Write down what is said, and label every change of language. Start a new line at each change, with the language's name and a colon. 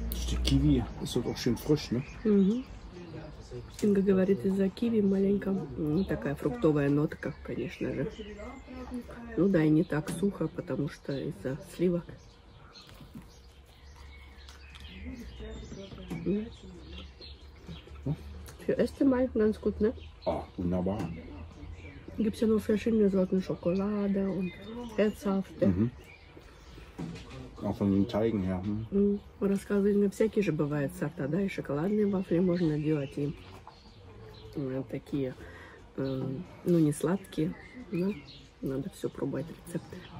German: Die Kiwi, das wird auch schön frisch, ne? Mhm.
Russian: Inga говорит из-за киви маленько. Ну, такая фруктовая нотка, конечно же. Ну да, и не так сухо, потому что из-за сливок.
German: Für erste Mal ganz gut, ne? Ah, wunderbar. Gibt's ja noch verschiedene Sorten Schokolade und herzhafte. Mhm. Auch von den Teigen her. Hm? Und das kann man
Russian: всякие же бывает сорта, да, и шоколадные вафли можно делать, и такие, ну, не сладкие, но надо все пробовать рецепты.